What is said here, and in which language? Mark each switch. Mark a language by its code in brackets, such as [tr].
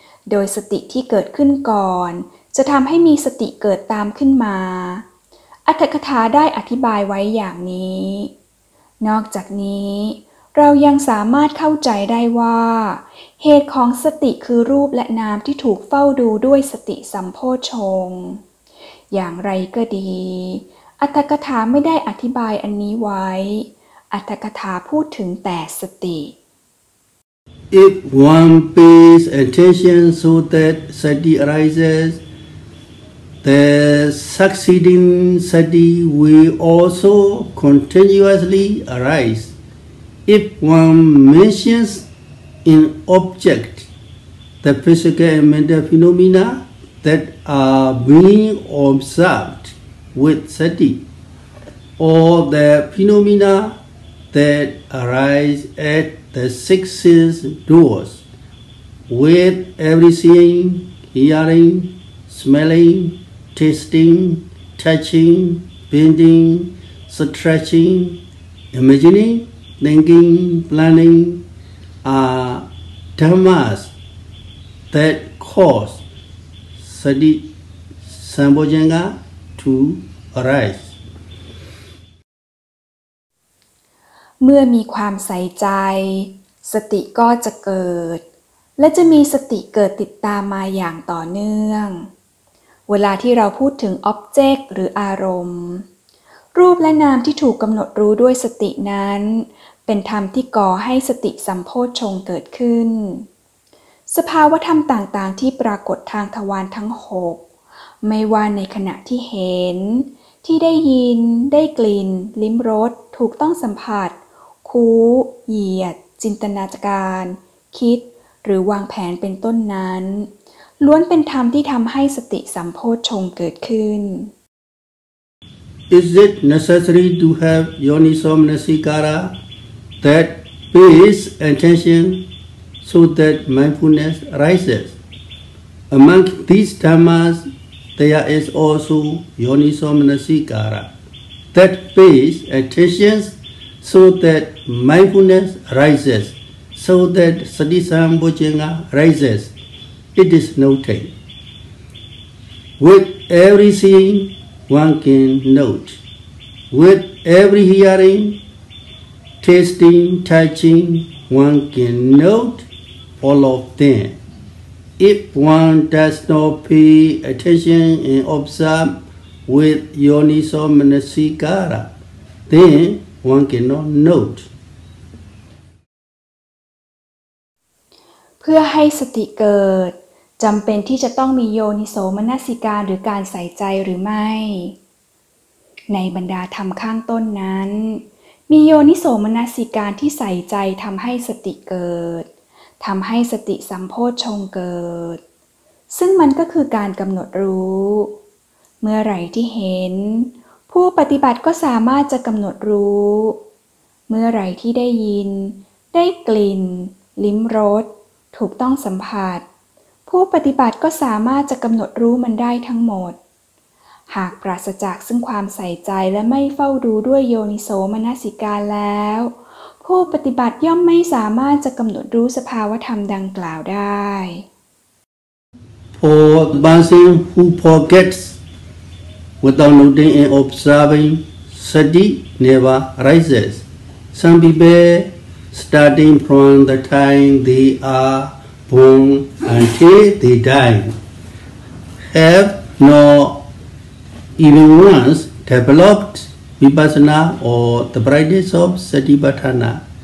[th] โดยสติที่เกิดขึ้นก่อนจะทำให้มีสติเกิดตามขึ้นมาอรรถกถาได้อธิบายไว้อย่างนี้นอกจากนี้เรายังสามารถเข้าใจได้ว่าเหตุของสติคือรูปและนามที่ถูกเฝ้าดูด้วยสติสัมโพชฌงค์อย่างไรก็ดีอรรถกถาไม่ได้อธิบายอันนี้ไว้อรรถกถาพูดถึงแต่สติ [en] If one pays attention so that sati arises, the succeeding sati will also continuously arise. If one mentions in object the physical and mental phenomena that are being observed with sati, or the phenomena that arise at the six sense doors with every seeing, hearing, smelling, tasting, touching, bending, stretching, imagining, thinking, planning are dhammas that cause sati sampojjhana to arise. [th] เมื่อมีความใส่ใจสติก็จะเกิดและจะมีสติเกิดติดตามมาอย่างต่อเนื่องเวลาที่เราพูดถึงอ็อบเจกต์หรืออารมณ์รูปและนามที่ถูกกำหนดรู้ด้วยสตินั้นเป็นธรรมที่ก่อให้สติสัมโพชฌงค์เกิดขึ้น สภาวะธรรมต่างๆที่ปรากฏทางทวารทั้ง6ไม่ว่าในขณะที่เห็นที่ได้ยินได้กลิ่นลิ้มรสถูกต้องสัมผัสคู่เหยียดจินตนาการคิดหรือวางแผนเป็นต้นนั้นล้วนเป็นธรรมที่ทำให้สติสัมโพชฌงค์เกิดขึ้น [en] Is it necessary to have yoniso manasikara that pays attention so that mindfulness rises? Among these dhammas, there is also yoniso manasikara that pays attention. So that mindfulness arises, so that sati sampojjhana arises, it is noted. With every seeing, one can note. With every hearing, tasting, touching, one can note all of them. If one does not pay attention and observe with yoniso manasikara, then. One cannot note. [th] เพื่อให้สติเกิดจำเป็นที่จะต้องมีโยนิโสมนสิการหรือการใส่ใจหรือไม่ในบรรดาธรรมข้างต้นนั้นมีโยนิโสมนสิการที่ใส่ใจทำให้สติเกิดทำให้สติสัมโพชฌงค์เกิดซึ่งมันก็คือการกำหนดรู้เมื่อไหร่ที่เห็นผู้ปฏิบัติก็สามารถจะกำหนดรู้ เมื่อไรที่ได้ยินได้กลิ่นลิ้มรสถูกต้องสัมผัสผู้ปฏิบัติก็สามารถจะกำหนดรู้มันได้ทั้งหมด หากปราศจากซึ่งความใส่ใจและไม่เฝ้าดูด้วยโยนิโสมนสิการแล้วผู้ปฏิบัติย่อมไม่สามารถจะกำหนดรู้สภาวธรรมดังกล่าวได้ [en] For Bansing who forgetsWithout noting and observing, sati never rises. Some people starting from the time they are born until they die, have not even once developed vipassana or the practice of satipatthana.